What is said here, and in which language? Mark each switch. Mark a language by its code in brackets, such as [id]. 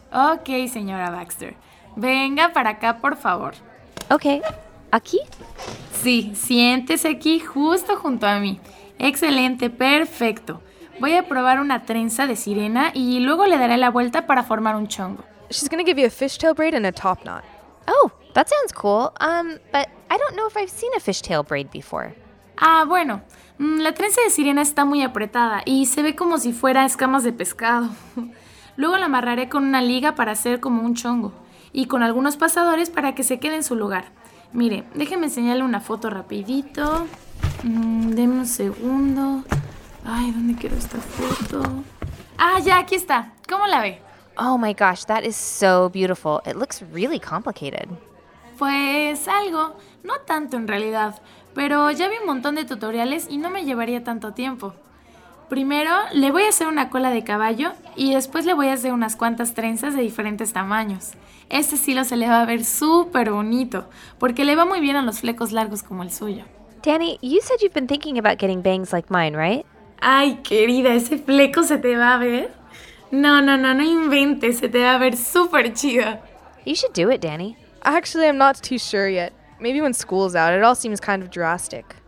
[es] Ok, señora Baxter. Venga para acá, por favor. Ok. ¿Aquí? Sí, siéntese aquí justo junto a mí. Excelente, perfecto. Voy a probar una trenza de sirena y luego le daré la vuelta para formar un chongo. [en] She's gonna give you a fishtail braid and a top knot. Oh, that sounds cool. But I don't know if I've seen a fishtail braid before. [es] Ah, bueno. La trenza de sirena está muy apretada y se ve como si fuera escamas de pescado. Luego la amarraré con una liga para hacer como un chongo y con algunos pasadores para que se quede en su lugar. Mire, déjeme enseñarle una foto rapidito. Deme un segundo. Ay, ¿dónde quiero esta foto? Ah, ya, aquí está. ¿Cómo la ve? [en] Oh my gosh, that is so beautiful. It looks really complicated. [es] Pues algo, no tanto en realidad, pero ya vi un montón de tutoriales y no me llevaría tanto tiempo. Primero le voy a hacer una cola de caballo y después le voy a hacer unas cuantas trenzas de diferentes tamaños. Este estilo se le va a ver súper bonito, porque le va muy bien a los flecos largos como el suyo. [en] Danny, you said you've been thinking about getting bangs like mine, right? [es] Ay, querida, ¿ese fleco se te va a ver? No inventes, se te va a ver súper chido. [en] You should do it, Danny. Actually, I'm not too sure yet. Maybe when school's out, it all seems kind of drastic.